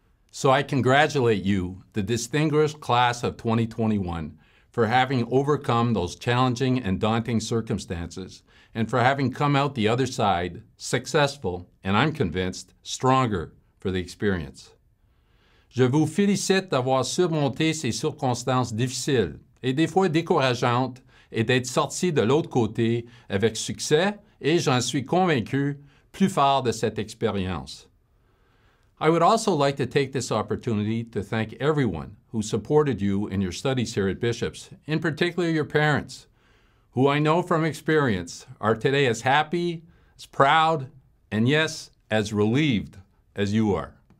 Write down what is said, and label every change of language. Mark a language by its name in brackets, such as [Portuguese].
[English] So I congratulate you, the distinguished class of 2021, for having overcome those challenging and daunting circumstances and for having come out the other side successful and, I'm convinced, stronger for the experience. [French] Je vous félicite d'avoir surmonté ces circonstances difficiles et des fois décourageantes et d'être sorti de l'autre côté avec succès et, j'en suis convaincu, plus fort de cette expérience. [English] I would also like to take this opportunity to thank everyone who supported you in your studies here at Bishop's, in particular your parents, who I know from experience are today as happy, as proud, and yes, as relieved as you are.